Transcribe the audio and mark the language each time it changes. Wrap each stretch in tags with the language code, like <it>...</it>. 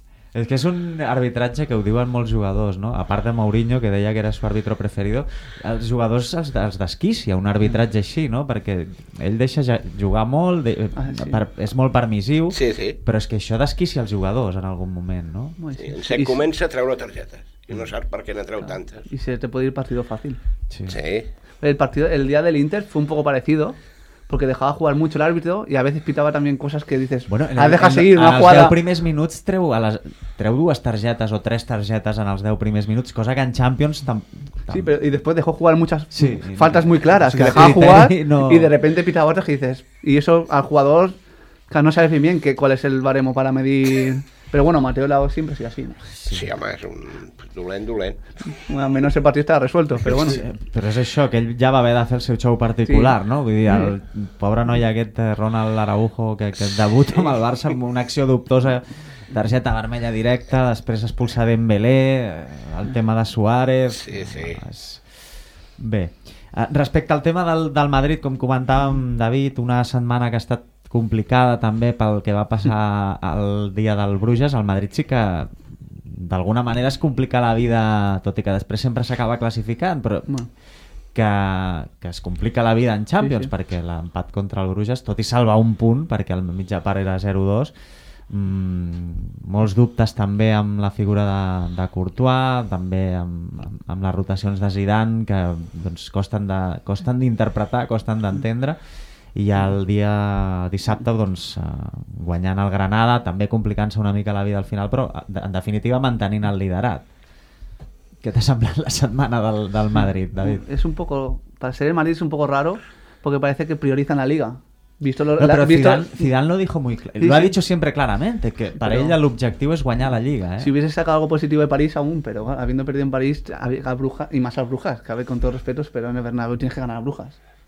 <ca>És que és un arbitratge que ho diuen molts jugadors, no? A part de Mourinho, que deia que era el seu</ca> <es>àrbitro preferido,</es> <ca>els jugadors els desquicia un arbitratge així, no? Perquè ell deixa jugar molt, és molt permissiu, sí, sí. Però és que això desquicia els jugadors en algun moment, no? Sí, se comença a treure targetes i no saps per què n'ha treu tantes.</ca> <es>I se te puede ir partido fácil. Sí. Sí. El dia de l'Inter fue un poco parecido. Porque dejaba jugar mucho el árbitro y a veces pitaba también cosas que dices, bueno, deja seguir una jugada.</es> <ca>En els 10 primers minuts treu dues targetes o tres targetes en els 10 primers minuts, cosa que en Champions...</ca> <es>Sí, pero, y después dejó jugar muchas faltas muy claras, que dejaba jugar y de repente pitaba otras que dices... Y eso al jugador, que no sabes bien cuál es el baremo para medir... Pero bueno, Mateo Lago siempre sigue así, ¿no?</es> <ca>Sí, home, és un dolent.</ca> <es>Bueno, al menos el partido está resuelto, pero bueno. Sí,</es> <ca>però és això, que ell ja va haver de fer el seu show particular, sí. No? Vull dir, el pobre noi aquest Ronald Araujo que debuta amb el Barça amb una acció dubtosa, targeta vermella directa, després expulsa Dembélé, el tema de Suárez... Sí, sí. Bé, respecte al tema del Madrid, com comentàvem, David, una setmana que ha estat complicada també pel que va passar el dia del Bruges, el Madrid sí que d'alguna manera es complica la vida, tot i que després sempre s'acaba classificant, però que es complica la vida en Champions, sí, sí. Perquè l'empat contra el Bruges, tot i salvar un punt, perquè el mitjà part era 0-2, molts dubtes també amb la figura de Courtois, també amb les rotacions de Zidane, que doncs, costen d'interpretar, costen d'entendre, i el dia dissabte doncs, guanyant el Granada, també complicant-se una mica la vida al final, però en definitiva mantenint el liderat.</ca> <es>¿Qué te ha</es> <ca>semblat la setmana del Madrid, David?</ca> <es>Es un poco, para ser el Madrid es un poco raro, porque parece que priorizan la Liga. Visto lo, no, pero la, visto... Zidane lo dijo muy claro. Sí, lo ha dicho siempre claramente, que para ella el objetivo es guanyar la Liga. Si hubiese sacado algo positivo de París aún, pero bueno, habiendo perdido en París, a Brujas, y más a Brujas, que a ver, con todos respetos, pero en el Bernabéu tienes que ganar a Brujas.</es>